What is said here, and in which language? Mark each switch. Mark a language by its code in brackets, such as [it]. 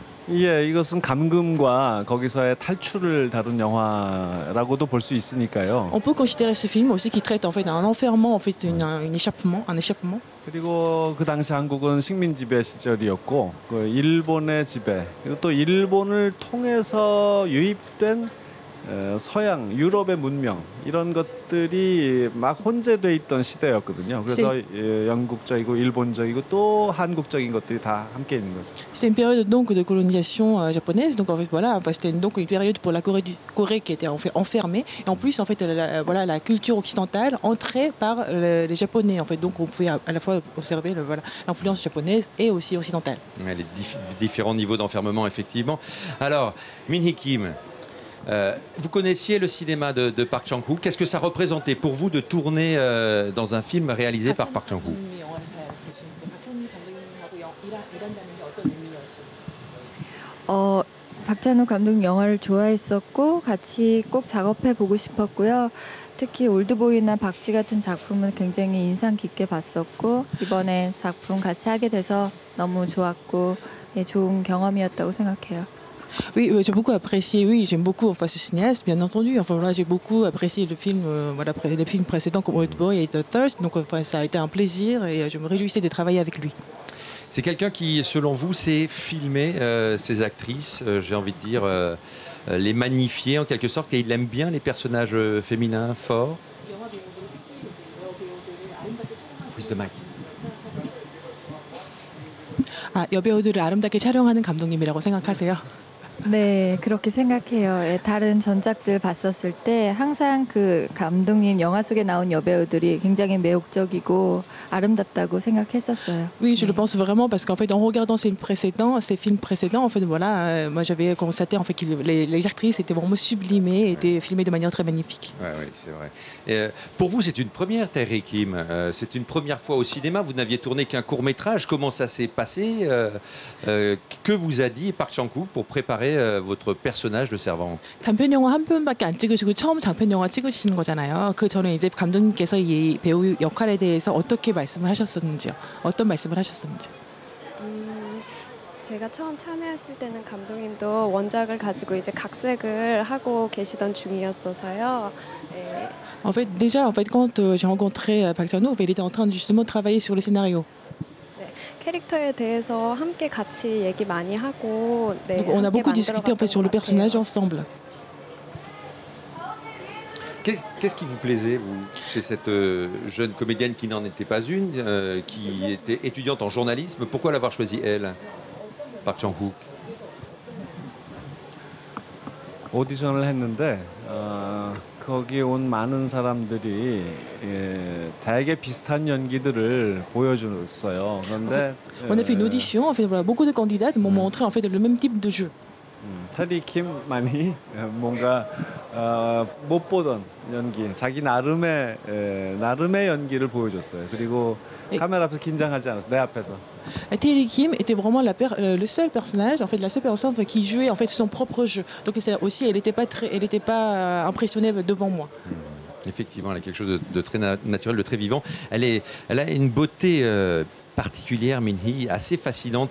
[ko] 예, 이것은 감금과 거기서의 탈출을 다룬 영화라고도 볼 수 있으니까요. [fr] On peut considérer ce film aussi qui traite en fait un enfermement, en fait un échappement, un échappement. [ko] 그리고 그 당시 한국은 식민 지배 시절이었고 그 일본의 지배 그리고 또 일본을 통해서 유입된 서양 유럽의 문명 이런 것들이 막 혼재돼 있던 시대였거든요. 그래서 영국적이고 일본적이고 또 한국적인 것들이 다 함께 있는 거죠. [fr] C'est une période donc de colonisation japonaise. Donc en fait voilà, c'était donc une période pour la Corée qui était en fait enfermée et en plus en fait voilà la culture occidentale entrait par les Japonais en fait. Donc on pouvait à la fois observer voilà l'influence japonaise et aussi occidentale. Ouais, les différents niveaux d'enfermement effectivement. Alors Min Hee Kim. Vous connaissiez le cinéma de Park Chan-wook. Qu'est-ce que ça représentait pour vous de tourner dans un film réalisé par Park Chan-wook? [ko] Park Chan-wook 감독 영화를 좋아했었고 같이 꼭 작업해 보고 싶었고요. 특히 올드보이나 박쥐 같은 작품은 굉장히 인상 깊게 봤었고 이번에 작품 같이 하게 돼서 너무 좋았고 좋은 경험이었다고 생각해요. [fr] Oui, j'ai beaucoup apprécié. Oui, j'aime beaucoup enfin ce cinéaste, bien entendu. Enfin voilà, j'ai beaucoup apprécié le film, voilà, les films précédents comme Old Boy et The Thirst. Donc enfin, ça a été un plaisir et je me réjouissais de travailler avec lui. C'est quelqu'un qui, selon vous, sait filmer ses actrices. J'ai envie de dire les magnifier en quelque sorte. Et il aime bien les personnages féminins forts. [en] With the mic. [ko] 아 여배우들을 아름답게 촬영하는 감독님이라고 생각하세요? 네, 그렇게 생각해요. 예, 다른 전작들 봤었을 때 항상 그 감독님 영화 속에 나온 여배우들이 굉장히 매혹적이고 아름답다고 생각했었어요. [fr] Oui, je le pense vraiment parce qu'en fait en regardant ses précédents, ses films précédents, en fait voilà, moi j'avais constaté en fait que les actrices étaient vraiment sublimées, étaient filmées de manière très magnifique. Ouais, oui, c'est vrai. Et pour vous, c'est une première, Terry Kim. C'est une première fois au cinéma. Vous n'aviez tourné qu'un court métrage. Comment ça s'est passé? Que vous a dit Park Chan-wook pour préparer votre personnage de servante? [ko] 단편 영화 한 편밖에 안 찍으시고 처음 장편 영화 찍으시는 거잖아요. 그 전에 이제 감독님께서 이 배우 역할에 대해서 어떻게 말씀을 하셨었는지요? 어떤 말씀을 하셨었는지요? 제가 처음 참여했을 때는 감독님도 원작을 가지고 이제 각색을 하고 계시던 중이었어서요. 네. [fr] En fait, déjà, en fait, quand j'ai rencontré Park Chan-wook, il était en train justement de travailler sur le scénario. [ko] 캐릭터에 대해서 함께 같이 얘기 많이 하고 네. [fr] Donc, on a beaucoup discuté en fait sur le personnage ensemble. Qu'est-ce qui vous plaisait vous chez cette jeune comédienne qui n'en était pas une qui était étudiante en journalisme, pourquoi l'avoir choisie elle? Park Chan-wook. [ko] 오디션을 했는데 거기 온 많은 사람들이 대개 비슷한 연기들을 보여줬어요. 그런데 [fr] on a fait une audition, en fait voilà, beaucoup de candidates m'ont montré en fait le même type de jeu. [ko] 테리 킴 많이 뭔가 못 보던 연기, 자기 나름의 연기를 보여줬어요. 그리고 카메라 앞에서 긴장하지 않았어요. 내 앞에서. [fr] Terry Kim était vraiment le seul personnage, en fait, la seule personne qui jouait en fait son propre jeu. Donc c'est aussi, elle n'était pas impressionnée devant moi. Effectivement, elle a quelque chose de très naturel, de très vivant. Elle a une beauté particulière, Min-hee, assez fascinante.